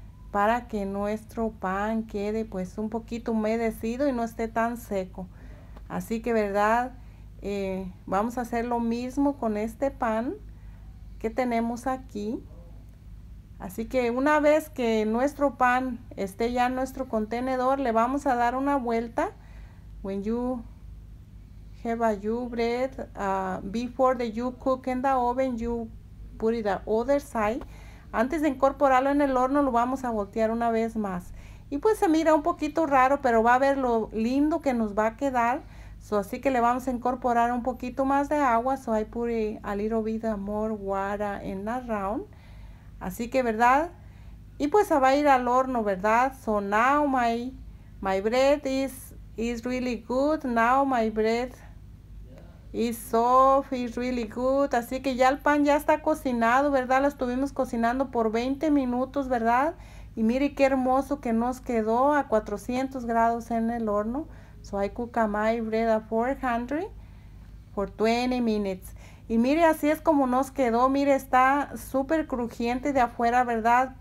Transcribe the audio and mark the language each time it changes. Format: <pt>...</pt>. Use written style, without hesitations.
<es>Para que nuestro pan quede pues un poquito humedecido y no esté tan seco. Así que, ¿verdad? Vamos a hacer lo mismo con este pan que tenemos aquí. Así que una vez que nuestro pan esté ya en nuestro contenedor, le vamos a dar una vuelta.</es> <en>When you have your bread, before that you cook in the oven, you put it the other side.</en> <es>Antes de incorporarlo en el horno, lo vamos a voltear una vez más. Y pues se mira un poquito raro, pero va a ver lo lindo que nos va a quedar. So, así que le vamos a incorporar un poquito más de agua.</es> <en>So I put a little bit more water in the round.</en> <es>Así que, ¿verdad? Y pues se va a ir al horno, ¿verdad?</es> <en>So now my bread is really good. Now my bread is soft, is really good.</en> <es>Así que ya el pan ya está cocinado, ¿verdad? Lo estuvimos cocinando por 20 minutos, ¿verdad? Y mire qué hermoso que nos quedó a 400 grados en el horno.</es> <en>So I cook my bread at 400 for 20 minutes.</en> <es>Y mire, así es como nos quedó. Mire, está súper crujiente de afuera, ¿verdad?</es>